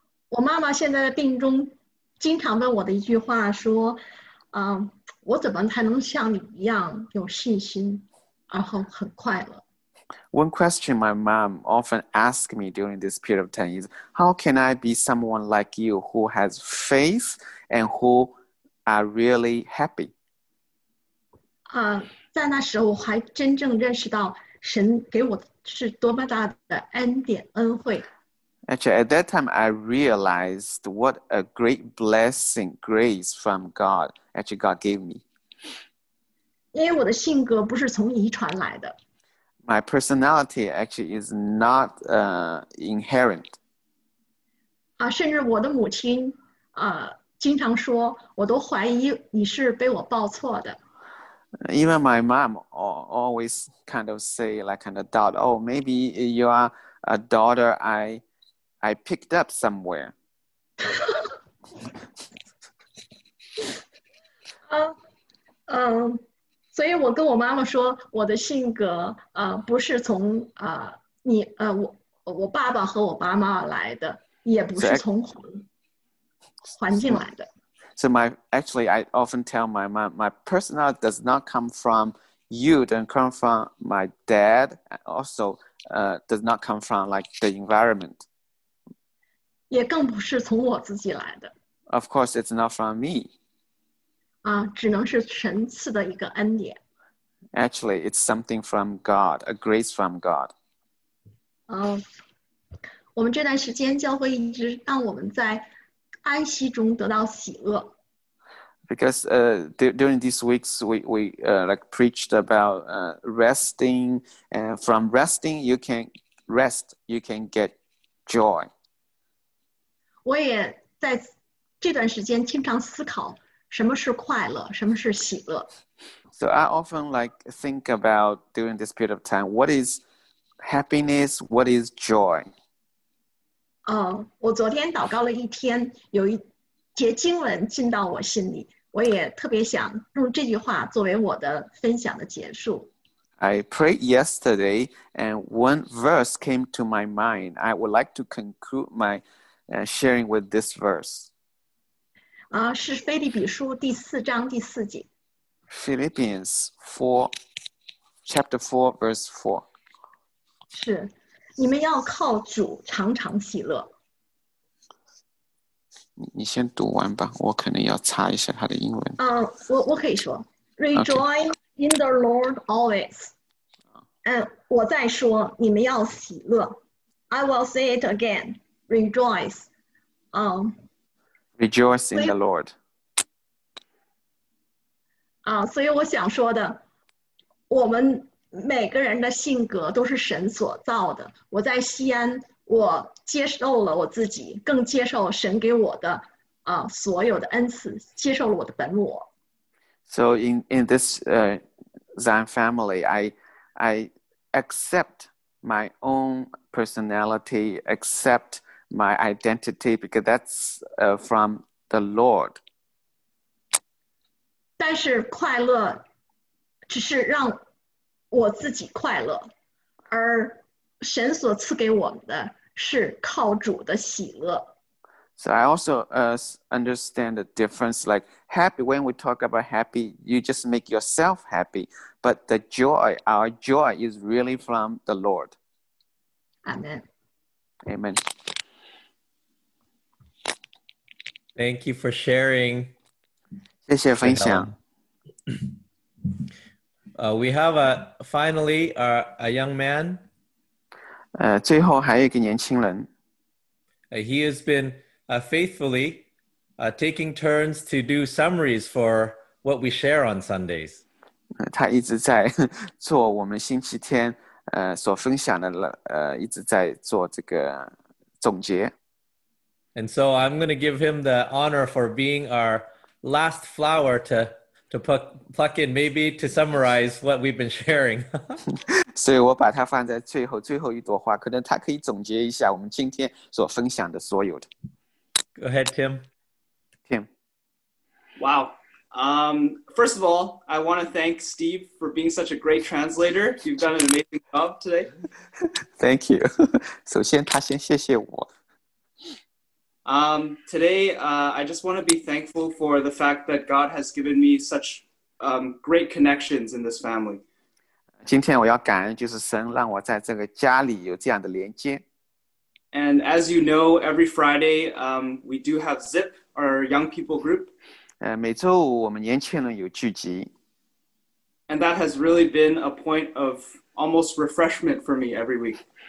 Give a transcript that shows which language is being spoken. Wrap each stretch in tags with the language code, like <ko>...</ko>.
<en>One question my mom often asks me during this period of time is, how can I be someone like you who has faith and who are really happy?</en> <zh>在那时候我还真正认识到神给我是多么大的恩典恩惠。</zh> <en>Actually, at that time, I realized what a great blessing, grace from God, actually God gave me.</en> <zh>因为我的性格不是从遗传来的。</zh> <en>My personality actually is not inherent.</en> <zh>甚至我的母亲经常说，我都怀疑你是被我抱错的。</zh> <en>Even my mom always kind of say, like kind of doubt, oh, maybe you are a daughter I picked up somewhere.</en> <zh>所以我跟我妈妈说，我的性格不是从你我爸爸和我妈妈来的，也不是从环境来的。</zh> <en>So I often tell my mom, my personality does not come from you, doesn't come from my dad, also does not come from like the environment.</en> <zh>也更不是从我自己来的。</zh> <en>Of course, it's not from me.</en> <zh>只能是神赐的一个恩典。</zh> <en>Actually, it's something from God, a grace from God.</en> <zh>我们这段时间教会一直让我们在安息中得到喜乐。</zh> <en>Because during these weeks, we preached about resting, and from resting, you can rest, you can get joy.</en> <zh>我也在这段时间经常思考什么是快乐，什么是喜乐。</zh> <en>So I often think about during this period of time, what is happiness, what is joy?</en> <zh>我昨天祷告了一天，有一节经文进到我心里。我也特别想用这句话作为我的分享的结束。</zh> <en>I prayed yesterday, and one verse came to my mind. I would like to conclude my sharing with this verse.</en> <zh>是腓立比书第四章第四节。</zh> <en>Philippians 4:4.</en> <zh>是，你们要靠主常常喜乐。你先读完吧，我可能要查一下他的英文。我可以说 ，</zh> <en>Rejoice、 okay. in the Lord always。</en> <zh>我再说，你们要喜乐。</zh> <en>I will say it again, rejoice。 Rejoice in the Lord。</en> <zh>所以我想说的，我们每个人的性格都是神所造的。我在西安。我接受了我自己，更接受神给我的所有的恩赐，接受了我的本我。</zh> <en>So in this Zion family, I accept my own personality, accept my identity, because that's from the Lord.</en> <zh>但是快乐只是让我自己快乐，而神所赐给我们的。是靠主的喜乐。</zh> <en>So I also understand the difference. Like happy, when we talk about happy, you just make yourself happy. But the joy, our joy, is really from the Lord. Amen. Amen. Thank you for sharing.</en> <zh>谢谢分享。</zh> <en>We have a young man.</en> <zh>最后还有一个年轻人。</zh> <en>He has been faithfully taking turns to do summaries for what we share on Sundays.</en> <zh>他一直在做我们星期天所分享的一直在做这个总结。</zh> <en>And so I'm going to give him the honor for being our last flower to pluck in, maybe to summarize what we've been sharing.</en> <zh>所以我把它放在最后一朵花，可能它可以总结一下我们今天所分享的所有的。</zh> <en>Go ahead, Tim. Tim. Wow, First of all, I want to thank Steve for being such a great translator. You've done an amazing job today. Thank you.</en> <zh>首先他先谢谢我。</zh> <en>Today, I just want to be thankful for the fact that God has given me such great connections in this family.</en> <zh>今天我要感恩就是神让我在这个家里有这样的连接。</zh> <en>And as you know, every Friday, we do have ZIP, our young people group.</en> <zh>每周五我们年轻人有聚集。</zh> <en>And that has really been a point of almost refreshment for me every week.</en>